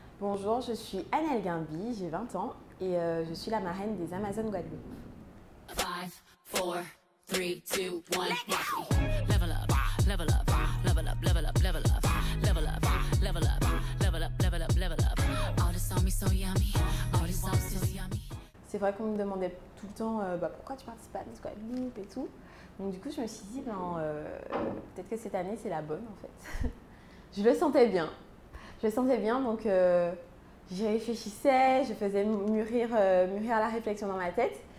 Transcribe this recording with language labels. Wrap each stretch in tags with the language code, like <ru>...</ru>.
<fr>Bonjour, je suis Annelle Gimby, j'ai 20 ans et je suis la marraine des Amazones Guadeloupe.</fr> <en>5, 4, 3, 2, 1, let's go! Level up, level up, level up, level up, level up, level up, level up, level up, level up, level up. All the sauce is so yummy, all the sauce is so yummy.</en> <fr>C'est vrai qu'on me demandait tout le temps pourquoi tu participes à Miss Guadeloupe et tout. Donc du coup, je me suis dit, peut-être que cette année, c'est la bonne en fait. Je le sentais bien. Je le sentais bien, donc j'y réfléchissais, je faisais mûrir la réflexion dans ma tête.</fr>